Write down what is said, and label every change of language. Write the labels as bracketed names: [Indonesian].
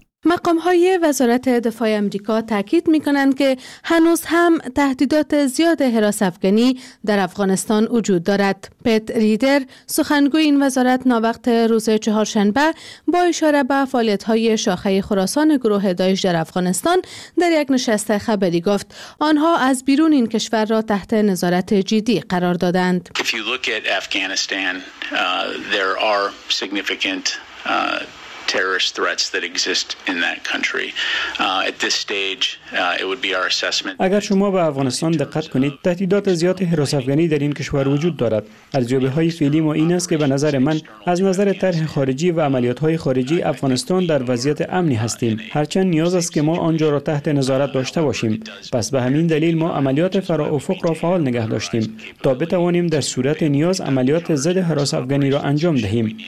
[Persian] مقام های وزارت دفاع آمریکا تاکید می کنند که هنوز هم تهدیدات زیاد هراس افغانی در افغانستان وجود دارد. پت ریدر، سخنگوی این وزارت، ناوقت روز چهارشنبه با اشاره به فعالیت های شاخه خراسان گروه داعش در افغانستان در یک نشست خبری گفت آنها از بیرون این کشور را تحت نظارت جدی قرار دادند. [English] If you look at Afghanistan, there are significant terrorist threats that exist in that country. At this stage, it would be our assessment. [Persian] اگر شما به افغانستان دقت کنید، تهدیدات زیاد هراس افغانی در این کشور وجود دارد. ارزیابی‌های فعلی ما این است که به نظر من از نظر طرح خارجی و عملیات‌های خارجی افغانستان در وضعیت امنی هستیم. هرچند نیاز است که ما آنجا را تحت نظارت داشته باشیم. پس به همین دلیل ما عملیات فرافق را فعال نگه داشتیم تا بتوانیم در صورت نیاز عملیات ضد هراس افغانی را انجام دهیم.